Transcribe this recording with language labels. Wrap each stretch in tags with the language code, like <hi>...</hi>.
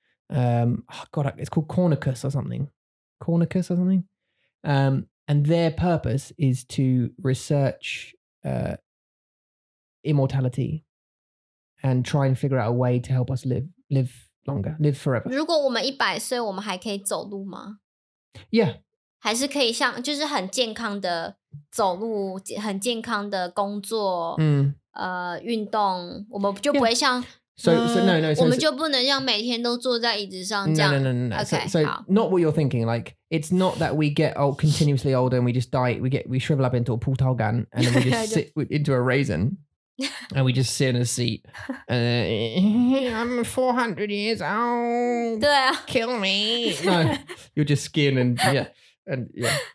<en>It's called Cornicus or something. And their purpose is to research immortality and try and figure out a way to help us live longer, live forever.</en> <zh>如果我们100岁，我们还可以走路吗？</zh> <en>Yeah.</en> <zh>还是可以像，就是很健康的走路，很健康的工作，嗯，运动，我们就不会像。Yeah.</zh> <en>So, no.</en> <zh>我们就不能像每天都坐在椅子上这样。</zh> <en>No. Okay, so not what you're thinking. Like, it's not that we get old, continuously older and we just die. We shrivel up into a 葡萄干 and then we just sit into a raisin and we just sit in a seat. I'm 400 years old.</en> <zh>对啊。</zh> <en>Kill me. No, you're just skin and, yeah. And, yeah.</en>